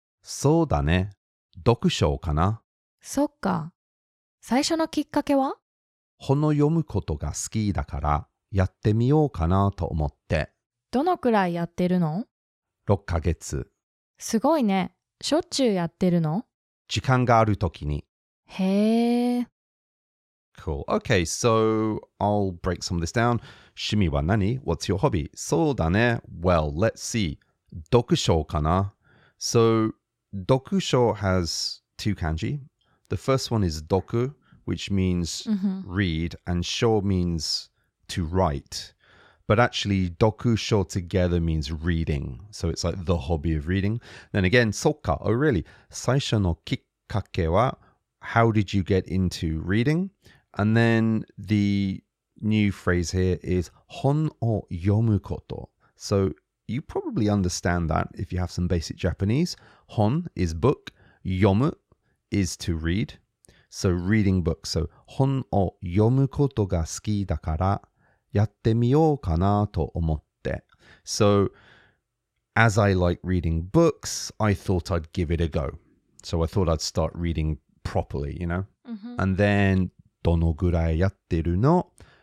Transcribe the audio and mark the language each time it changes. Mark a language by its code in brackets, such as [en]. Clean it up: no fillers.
[ja] そうだね。読書かな。そっか。最初のきっかけは? この読むことが好きだからやってみようかなと思って。どのくらいやってるの? 6ヶ月。すごいね。しょっちゅうやってるの? 時間があるときに。へー。 [en] Cool. Okay, so I'll break some of this down. [ja] 趣味は何? [en] What's your hobby? [ja] そうだね。 [en] Well, let's see. [ja] 読書かな? [en] So, 読書 has two kanji. The first one is 読, which means read, and 書 means to write. But actually, 読書 together means reading. So it's like the hobby of reading. Then again, [ja] そっか。 [en] Oh, really? [ja] 最初のきっかけは? [en] How did you get into reading? And then the new phrase here is [ja] 本を読むこと. [en] So you probably understand that if you have some basic Japanese. 本 is book. 読む is to read. So reading books. So [ja] 本を読むことが好きだからやってみようかなと思って. [en] So as I like reading books, I thought I'd give it a go. So I thought I'd start reading properly, you know?、 Mm-hmm. And then... [ja] どのぐらいやってるの?